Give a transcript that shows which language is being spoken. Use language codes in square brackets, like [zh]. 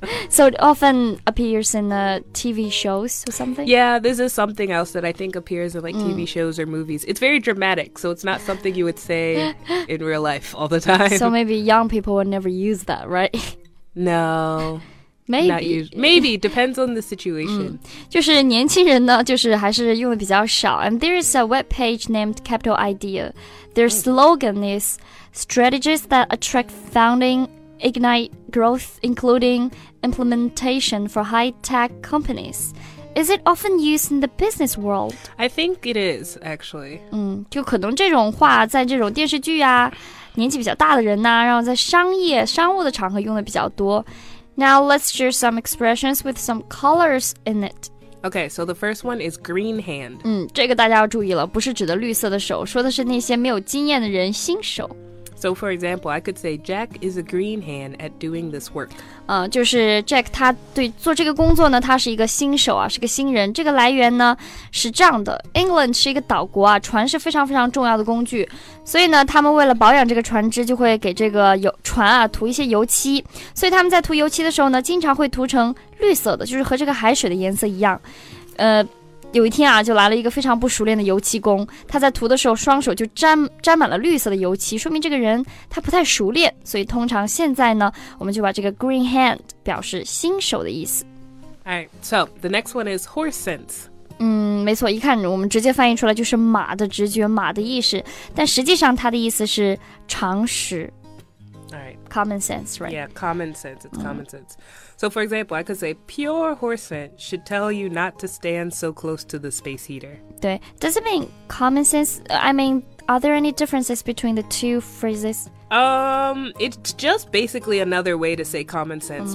[en] So it often appears in TV shows or something? Yeah, this is something else that I think appears in like TV shows or movies. It's very dramatic, so it's not something you would say in real life all the time. So maybe young people would never use that, right? No. Maybe, depends on the situation. [zh] 就是年轻人呢，就是还是用的比较少。 [en] And there is a webpage named Capital Idea. Their slogan is strategies that attract funding, ignite growth, including implementation for high-tech companies. Is it often used in the business world? I think it is, actually. [zh] 就可能这种话在这种电视剧啊，年纪比较大的人啊，然后在商业、商务的场合用的比较多。 [en] Now let's share some expressions with some colors in it. Okay, so the first one is green hand. [zh] 这个大家要注意了，不是指的绿色的手，说的是那些没有经验的人，新手。 [en] So for example, I could say Jack is a green hand at doing this work. [zh] 就是 Jack 他对做这个工作呢，他是一个新手啊，是个新人。这个来源呢是这样的 ，England 是一个岛国啊，船是非常非常重要的工具，所以呢，他们为了保养这个船只，就会给这个油船啊涂一些油漆。所以他们在涂油漆的时候呢，经常会涂成绿色的，就是和这个海水的颜色一样。有一天啊，就来了一个非常不熟练的油漆工，他在涂的时候双手就沾满了绿色的油漆，说明这个人他不太熟练，所以通常现在呢，我们就把这个 green hand 表示新手的意思。 [en] Alright, so the next one is horse sense. [zh] 没错，一看我们直接翻译出来就是马的直觉，马的意识，但实际上它的意思是常识。 [en] Alright, common sense, right? Yeah, common sense, it's common sense. So for example, I could say pure horse sense should tell you not to stand so close to the space heater. 对, does it mean common sense? I mean, are there any differences between the two phrases? It's just basically another way to say common sense.